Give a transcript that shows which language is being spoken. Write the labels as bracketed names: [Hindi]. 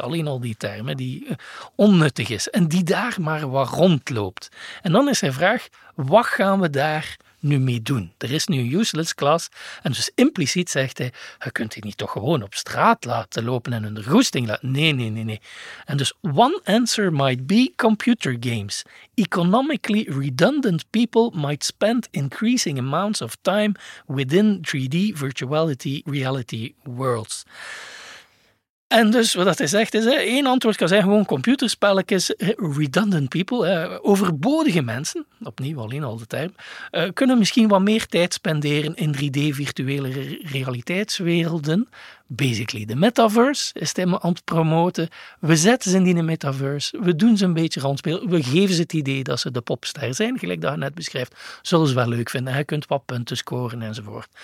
[Dutch] Alleen al die termen, die onnuttig is. En die daar maar wat rondloopt. En dan is zijn vraag, wat gaan we daar nu mee doen? Er is nu een [English] useless class. [Dutch] En dus impliciet zegt hij, je kunt die niet toch gewoon op straat laten lopen en hun roesting laten? Nee. [English] En dus, one answer might be computer games. Economically redundant people might spend increasing amounts of time within 3D virtuality reality worlds. [Dutch] En dus wat hij zegt is, één antwoord kan zijn gewoon computerspelletjes, [English] redundant people, [Dutch] overbodige mensen, opnieuw alleen al de term, kunnen misschien wat meer tijd spenderen in 3D virtuele realiteitswerelden. Basically, de metaverse is hij aan het promoten. We zetten ze in die metaverse, we doen ze een beetje rondspelen, we geven ze het idee dat ze de popster zijn, gelijk dat je net beschrijft, zullen ze wel leuk vinden, je kunt wat punten scoren enzovoort.